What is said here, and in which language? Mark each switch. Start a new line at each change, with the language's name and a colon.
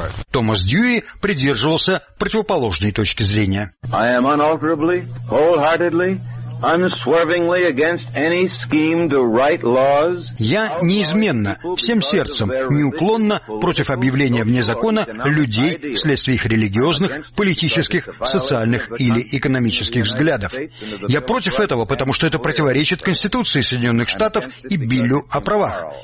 Russian: Томас Дьюи придерживался противоположной точки зрения.
English: I am unalterably, wholeheartedly, unswervingly against any scheme to write laws.
Russian: Я неизменно, всем сердцем, неуклонно против объявления вне закона людей вследствие их религиозных, политических, социальных или экономических взглядов. Я против этого, потому что это противоречит Конституции Соединенных Штатов и Биллю о правах.